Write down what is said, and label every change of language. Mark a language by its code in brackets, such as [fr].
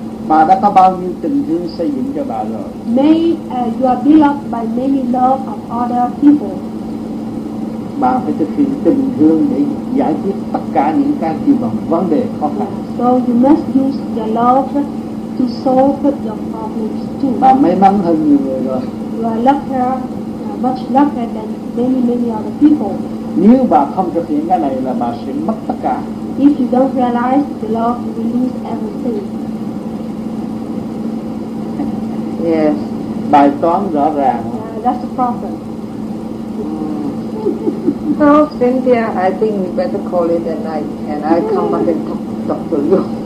[vi] Bà đã có bao nhiêu tình thương xây dựng cho bà rồi. [en] May you are beloved by many love of other people. [vi] Bà phải thực hiện tình thương để giải quyết tất cả những cái gì mà vấn đề khó khăn. [en] So you must use your love to solve your problems too. [vi] Bà may mắn hơn nhiều người rồi. [en] You are luckier, much luckier than many, many other people. [vi] Nếu bà không thực hiện cái này là bà sẽ mất tất cả. [en] If you don't realize the love, you will lose everything. Yes. [vi] Bài toán rõ ràng. [en] That's the problem. So, Cynthia, I think we better call it a night, and I come back and talk to you.